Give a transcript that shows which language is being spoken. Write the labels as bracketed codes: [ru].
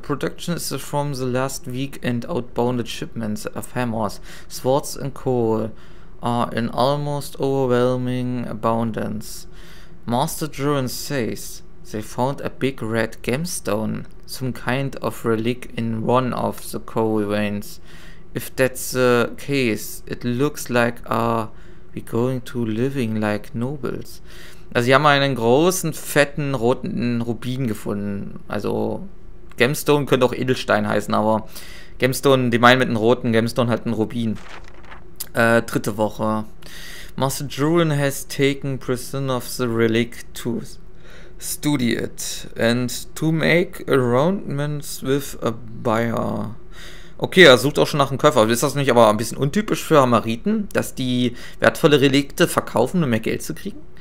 [en] Production is from the last week and outbounded shipments of hammers, swords and coal are in almost overwhelming abundance. Master Druin says they found a big red gemstone, some kind of relic in one of the coal veins. If that's the case, it looks like a We're going to living like nobles. [de] Also, sie haben einen großen, fetten, roten Rubin gefunden. Also, Gemstone könnte auch Edelstein heißen, aber Gemstone, die meinen mit einem roten Gemstone halt einen Rubin. Dritte Woche. [en] Master Druin has taken prisoner of the relic to study it and to make arrangements with a buyer. [de] Okay, er sucht auch schon nach einem Käufer. Ist das nicht aber ein bisschen untypisch für Hamariten, dass die wertvolle Relikte verkaufen, um mehr Geld zu kriegen?